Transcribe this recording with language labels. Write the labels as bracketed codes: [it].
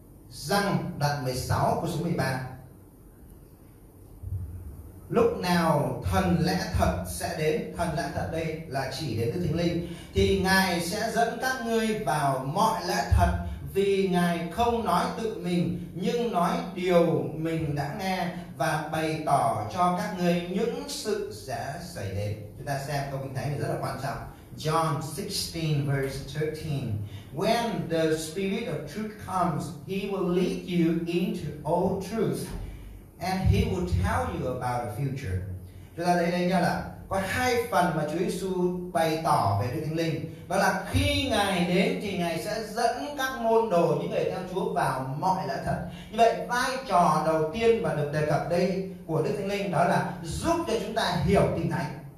[vi] Giăng đoạn 16 câu số 13: lúc nào thần lẽ thật sẽ đến, thần lẽ thật đây là chỉ đến Đức Thánh Linh, thì Ngài sẽ dẫn các ngươi vào mọi lẽ thật, vì Ngài không nói tự mình nhưng nói điều mình đã nghe và bày tỏ cho các ngươi những sự sẽ xảy đến. Chúng ta xem câu Kinh Thánh này rất là quan trọng. [en] John 16 verse 13: when the Spirit of truth comes, he will lead you into all truth, and he will tell you about the future. [vi] Chúng ta thấy đây nhá, là có hai phần mà Chúa Giêsu bày tỏ về Đức Thánh Linh. Đó là khi Ngài đến thì Ngài sẽ dẫn các môn đồ, những người theo Chúa vào mọi lẽ thật. Như vậy vai trò đầu tiên mà được đề cập đây của Đức Thánh Linh đó là giúp cho chúng ta hiểu Kinh Thánh.